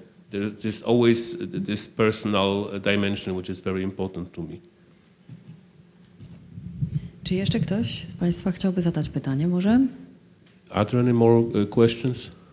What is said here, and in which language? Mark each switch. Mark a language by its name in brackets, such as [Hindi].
[English] There's always this personal dimension, which is very important to me. [Polish] Czy jeszcze ktoś z Państwa chciałby zadać pytanie, może? [English] Are there any more questions?